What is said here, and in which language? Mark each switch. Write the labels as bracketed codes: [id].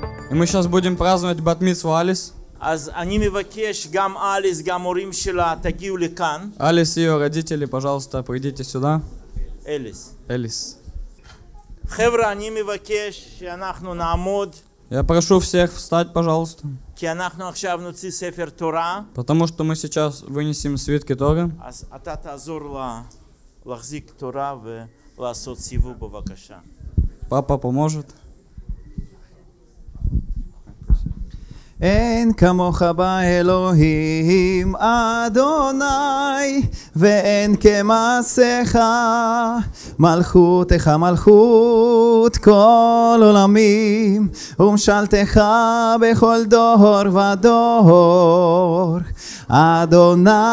[ru] Мы сейчас будем праздновать батмицву Алис. [he] אז אני מבקש גם אליס, גם הורים שלה, תגיעו לכאן. [ru] אליס, ее родители, пожалуйста, придите сюда. [he] אליס. אליס. חבר'ה, אני מבקש שאנחנו נעמוד. [ru] Я прошу всех встать, пожалуйста. [he] כי אנחנו עכשיו נוציא ספר תורה. [ru] Потому что мы сейчас вынесем свитки Торы. [he] אז אתה תעזור לה להחזיק תורה ולעשות סיבוב, בבקשה. [ru] Папа поможет. [he] אין כמוך באלוהים אדוני ואין כמעשיך מלכותך מלכות כל עולמים ומשלתך בכל דור ודור אדוני